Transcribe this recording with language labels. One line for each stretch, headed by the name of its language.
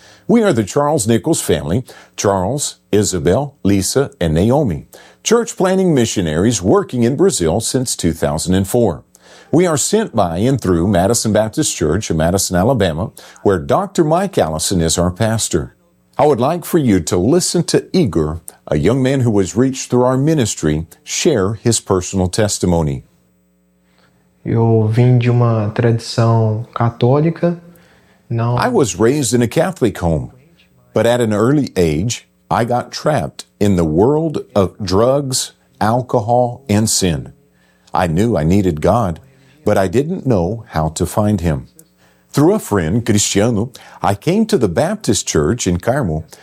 English: We are the Charles Nichols family, Charles, Isabel, Lisa, and Naomi, church planting missionaries working in Brazil since 2004. We are sent by and through Madison Baptist Church in Madison, Alabama, where Dr. Mike Allison is our pastor. I would like for you to listen to Igor, a young man who was reached through our ministry, share his personal testimony.
Portuguese: Eu vim de uma tradição católica.
English: I was raised in a Catholic home, but at an early age, I got trapped in the world of drugs, alcohol, and sin. I knew I needed God, but I didn't know how to find him. Through a friend, Cristiano, I came to the Baptist Church in Carmo.